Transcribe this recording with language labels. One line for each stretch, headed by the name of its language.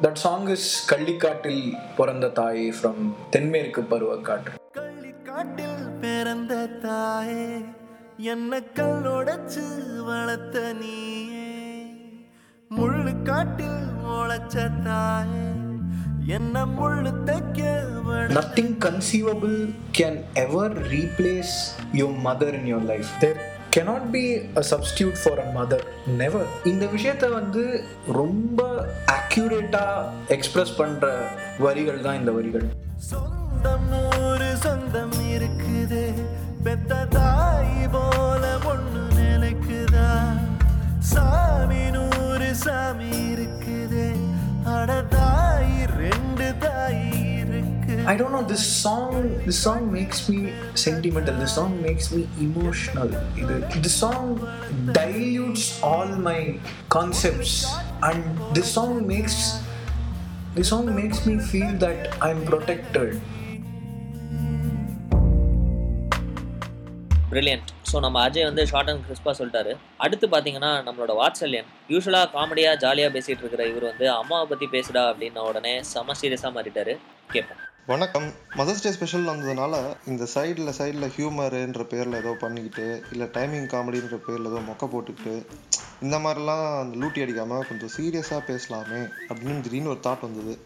English: that song is
Tamil: கள்ளிக்காட்டில் பிறந்த தாய்
English: from
Tamil: தென்மேற்கு பருவக்காற்று. கள்ளிக்காட்டில் பிறந்த தாயே, என்ன கல்லோடச்சு வளர்த்த நீயே, முள்ளு காட்டில் முளைச்ச தாயே, என்ன முள்ளு தைக்க.
English: Nothing conceivable can ever replace your mother in your life. There cannot be a substitute for a mother. Never.
Tamil: இந்த விஷயத்தை வந்து ரொம்ப அக்யூரேட்டா எக்ஸ்பிரஸ் பண்ற வரிகள் தான் இந்த வரிகள். சொந்தம் ஒரு சொந்தம் இருக்குது, பெத்த தாய் போல ஒண்ணு நிலைக்குதா, சாமி நூறு சாமி இருக்குது, அட தாய் ரெண்டு தாய்.
English: I don't know, this song makes me sentimental, this song makes me emotional. This song dilutes all my concepts, and this song makes me feel that I'm protected. Brilliant.
Tamil: So நம்ம அஜய் வந்து
English: short and
Tamil: கிறிஸ்பாக சொல்லிட்டாரு. அடுத்து பார்த்தீங்கன்னா நம்மளோட வாட்சல்யன், யூஸ்வலாக காமெடியாக ஜாலியாக பேசிகிட்டு இருக்கிற இவர் வந்து அம்மாவை பற்றி பேசுடா அப்படின்னா உடனே செம சீரியஸாக மாறிட்டாரு. கேட்போம். வணக்கம்.
English: mother's day special
Tamil: வந்ததுனால இந்த சைடில் ஹியூமருன்ற பேரில் ஏதோ பண்ணிக்கிட்டு, இல்லை டைமிங் காமெடின்ற பேரில் ஏதோ மொக்க போட்டுக்கிட்டு, இந்த மாதிரிலாம் அந்த லூட்டி அடிக்காமல் கொஞ்சம் சீரியஸாக பேசலாமே அப்படின்னு திடீர்னு ஒரு தாட் வந்தது.